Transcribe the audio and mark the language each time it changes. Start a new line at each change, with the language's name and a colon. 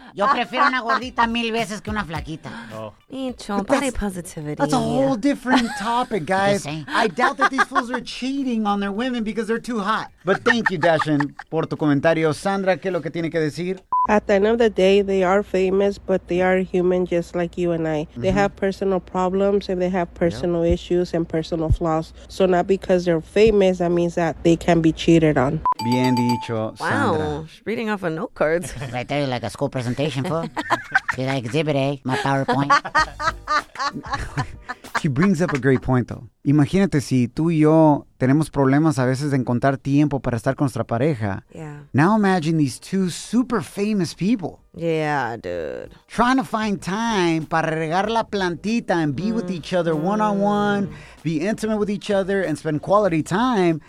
Spanish: Yo prefiero una gordita mil veces que una flaquita.
English: Body positivity. That's a whole different topic, guys. I doubt that these fools are cheating on their women because they're too hot. But thank you, Dashin,
Spanish: por tu comentario. Sandra, ¿qué es lo que tiene que decir?
English: At the end of the day, they are famous, but they are human just like you and I. Mm-hmm. They have personal problems and they have personal issues and personal flaws. So not because they're famous, that means that they can be cheated on.
Spanish: Bien dicho, Sandra.
English: Wow, she's reading off of note cards. Right there, like a school presentation, fool. She's like, exhibit A, my PowerPoint. She brings up a great point, though.
Spanish: Imagínate si tú y yo tenemos problemas a veces de encontrar tiempo para estar con nuestra pareja.
English: Yeah. Now imagine these two super famous people. Yeah, dude. Trying to find time
Spanish: para regar la plantita
English: and be with each other one-on-one, be intimate with each other, and spend quality time.